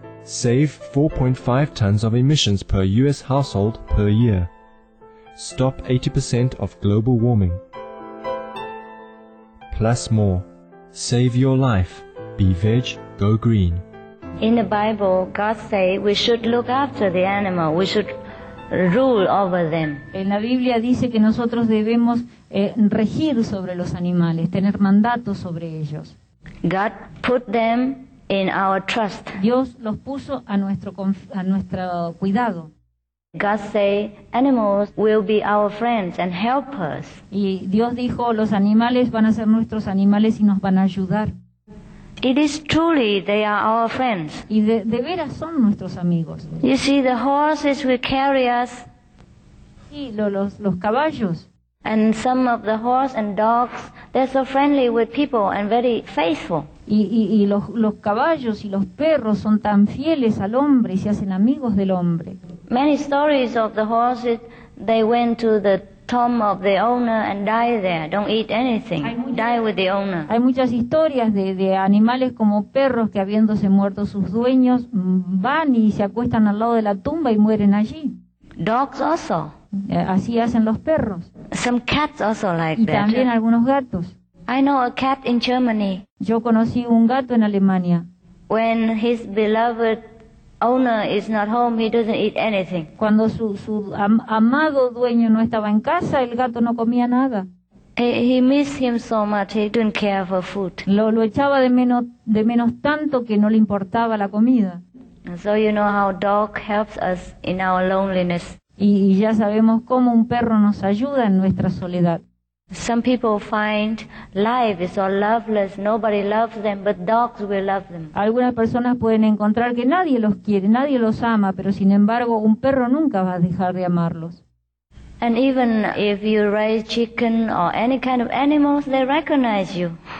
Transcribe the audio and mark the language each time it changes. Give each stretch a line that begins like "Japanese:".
English: Save 4.5 tons of emissions per US household per year. Stop 80% of global warming. Plus more. Save your life. Be veg, go green. In the Bible, God says we should look after the animal. We should rule over them.
Spanish: En la Biblia dice que nosotros debemos regir sobre los animales, tener mandato sobre ellos.
English: God put them in our trust.
Spanish: Dios los puso a nuestro cuidado.
English: God say animals will be our friends and helpers.
Spanish: Y Dios dijo los animales van a ser nuestros animales y nos van a ayudar.
English: It is truly they are our friends.
Spanish: Y de veras son nuestros amigos.
English: You see the horses will carry us.
Spanish: Y los caballos.
English: And some of the horse and dogs, they're so friendly with people and very faithful.
Spanish: Y los caballos y los perros son tan fieles al hombre y se hacen amigos del hombre.
English: Many stories of the horses, they went to the tomb of the owner and die there, don't eat anything, die with the owner.
Spanish: Hay muchas historias de animales como perros que habiéndose muerto sus dueños van y se acuestan al lado de la tumba y mueren allí.
English: Dogs also.
Spanish: Así hacen los perros.
English: Some cats also like
Spanish: that. Y también
English: that.
Spanish: Algunos gatos.
English: I know a cat in Germany.
Spanish: Yo conocí un gato en Alemania.
English: When his beloved owner is not home, he doesn't eat anything.
Spanish: Cuando su amado dueño no estaba en casa, el gato no comía nada.
English: He missed him so much, he didn't care for food.
Spanish: Lo echaba de menos tanto que no le importaba la comida.
English: So you know how dog helps us in our loneliness.
Spanish: Y ya sabemos cómo un perro nos ayuda en nuestra soledad.
English: Some people find life is all loveless, nobody loves them, but dogs will love them.
Spanish: Algunas personas pueden encontrar que nadie los quiere, nadie los ama, pero sin embargo un perro nunca va a dejar de amarlos.
English: And even if you raise chicken or any kind of animals, they recognize you.